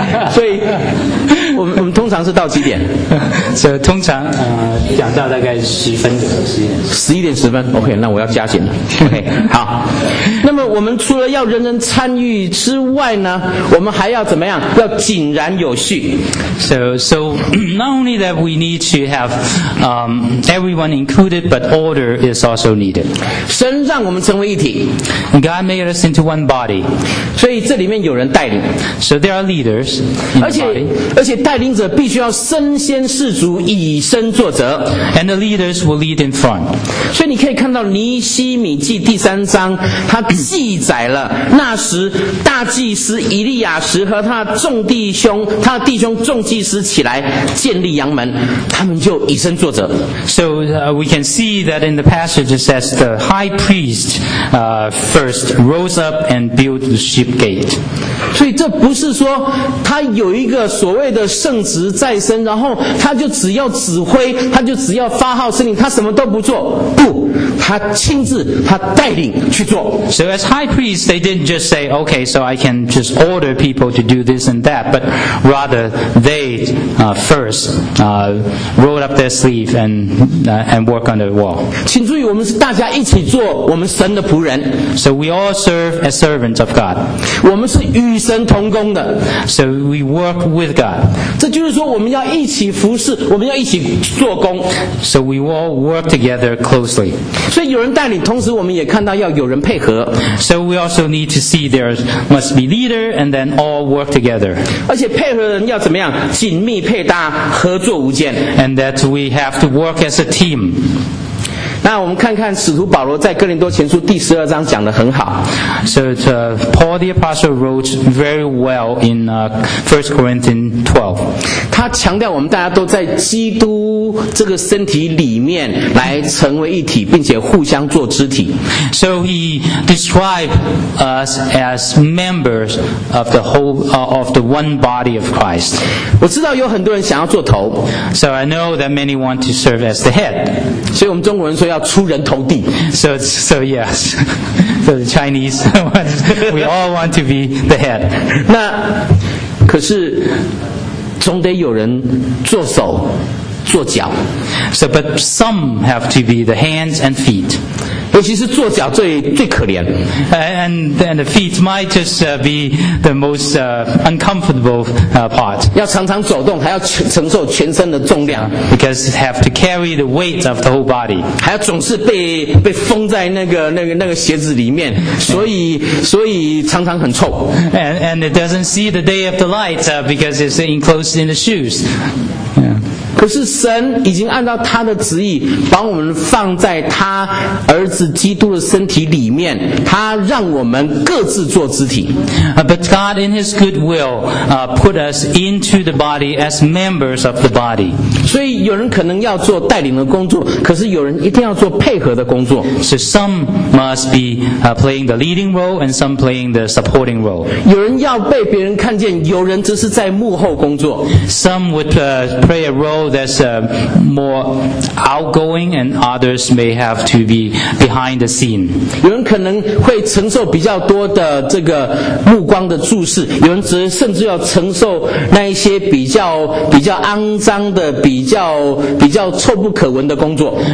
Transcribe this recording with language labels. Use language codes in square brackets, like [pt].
[zh] 所以，我们通常是到几点？所以通常讲到大概十分左右，十一点十分。OK， 那我要加紧了。OK， 好。那么我们除了要人人参与之外呢，我们还要怎么样？要井然有序。 [en] So not only that we need to have everyone included, but order. Is also needed. [zh] 神让我们成为一体。 [en] God made us into one body. [zh] 所以这里面有人带领。 [en] So there are leaders. [zh] 而且带领者必须要身先士卒，以身作则。 [en] And the leaders will lead in front. [zh] 所以你可以看到尼希米记第三章，它记载了那时大祭司以利亚时和他的弟兄众祭司起来建立羊门，他们就以身作则。 [en] So we can see that. In the passage, it says the high priest first rose up and built the sheep gate. [zh] 所以这不是说他有一个所谓的圣职在身，然后他就只要指挥，他就只要发号施令，他什么都不做。不，他亲自，他带领去做。 [en] So as high priest, they didn't just say, "Okay, so I can just order people to do this and that," but rather they first rolled up their sleeve and work on the wall. [zh] 请注意我们是大家一起做我们神的仆人 [en] So we all serve as servants of God [zh] 我们是与神同工的 [en] So we work with God [zh] 这就是说我们要一起服侍我们要一起做工 [en] So we all work together closely [zh] 所以有人带领同时我们也看到要有人配合 [en] So we also need to see there must be leader and then all work together [zh] 而且配合人要怎么样紧密配搭合作无间 [en] And that we have to work as a team [zh] 那我们看看使徒保罗在哥林多前书第十二章讲得很好。 [en] So Paul the Apostle wrote very well in First Corinthians 12. [zh] 他强调我们大家都在基督这个身体里面来成为一体，并且互相做肢体。 [en] So he described us as members of the whole of the one body of Christ. [zh] 我知道有很多人想要做头。 [en] So I know that many want to serve as the head. [zh] 所以我们中国人说。要出人头地 [en] so yes so the Chinese we all want to be the head [zh] 那可是总得有人做手做脚。 [en] So, but some have to be the hands and feet. [zh] 尤其是做脚最可怜。 [en] And the feet might just be the most uncomfortable part. [zh] 要常常走动，还要承受全身的重量。 [en] Because have to carry the weight of the whole body. [zh] 还要总是被封在那个鞋子里面，所以常常很臭。 [en] And it doesn't see the day of the light because it's enclosed in the shoes. Yeah. [zh] 可是神已经按照他的旨意把我们放在他儿子基督的身体里面，他让我们各自做肢体。 [en] But God in his good will put us into the body as members of the body. [zh] 所以有人可能要做带领的工作，可是有人一定要做配合的工作。 [en] So some must be playing the leading role and some playing the supporting role. [zh] 有人要被别人看见，有人只是在幕后工作。 [en] Some would play a roleThat's more outgoing, and others may have to be behind the scene. [zh] 有人可能会承受比较多的这个目光的注视，有人甚至要承受那一些比较肮脏的、比较臭不可闻的工作。